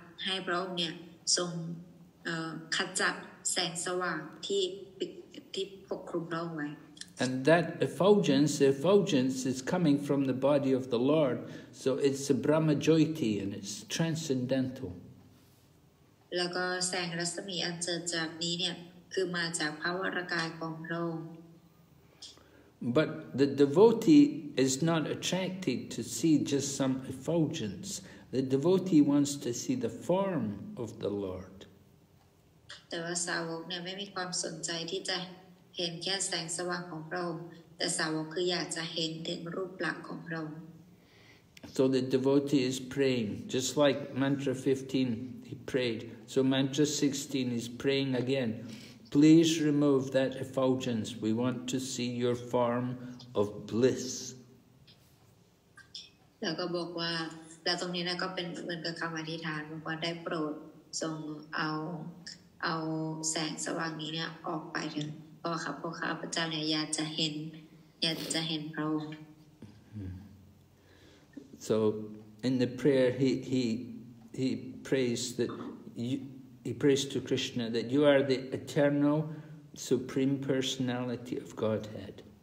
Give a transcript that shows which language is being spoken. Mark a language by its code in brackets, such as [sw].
[th] ให้พระองค์เนี่ยทรงขจัดแสงสว่างที่ที่ปกคลุมพระองค์ไว้ [en] And that effulgence is coming from the body of the Lord, so it's a Brahma Jyoti and it's transcendental. [th] แล้วก็แสงรัศมีอันเจิดจากนี้เนี่ยคือมาจากพระวรกายของพระองค์ [en] But the devotee is not attracted to see just some effulgence. The devotee wants to see the form of the Lord. [th] แต่ว่าสาวกเนี่ยไม่มีความสนใจที่จะเห็นแค่แสงสว่างของพระองค์แต่สาวกคืออยากจะเห็นถึงรูปลักษณ์ของพระองค์ [en] So the devotee is praying, just like mantra 15 he prayed. So mantra 16 he's praying again. Please remove that effulgence. We want to see your form of bliss. [th] แล้วก็บอกว่าแล้วตรงนี้นะก็เป็นเหมือนกับคำอธิษฐานบอกว่าได้โปรดทรงเอาแสงสว่างนี้เนี่ยออกไปเถอะเพราะครับพวกข้าพเจ้าเนี่ยอยากจะเห็นพระองค์ [en] So in the prayer he prays to Krishna that you are the eternal supreme personality of Godhead.